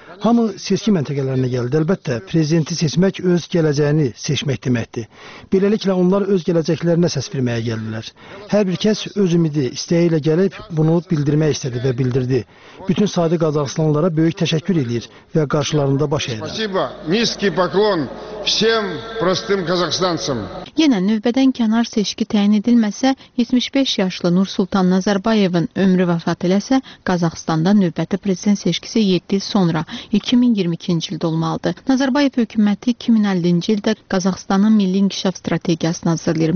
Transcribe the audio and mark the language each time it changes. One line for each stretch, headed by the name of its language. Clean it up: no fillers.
Azerbaijani: Hamı seçki məntəqələrinə gəldi. Əlbəttə, prezidenti seçmək öz gələcəyini seçmək deməkdir. Beləliklə, onlar öz gələcəklərinə səs verməyə gəlirlər. Hər bir kəs öz ümidi, istəyi ilə gəlib bunu bildirmək istədi və bildirdi. Bütün sadə qazaxıslanlara böyük təşəkkür edir və qarşılarında baş əyirlər.
Russian: Спасибо, низкий поклон всем простым казахстанцам.
Azerbaijani: Yenə növbədən kənar seçki təyin edilməsə, 75 yaşlı Nursultan Nazarbayevin ömrü vəfat eləsə, Qazaxıstanda növbəti prezident seçkisi 7 il sonra, 2022-ci ildə olmalıdır. Nazarbayev hökuməti 2050-ci ildə Qazaxıstanın Milli İnkişaf Strategiyasını hazırlayır.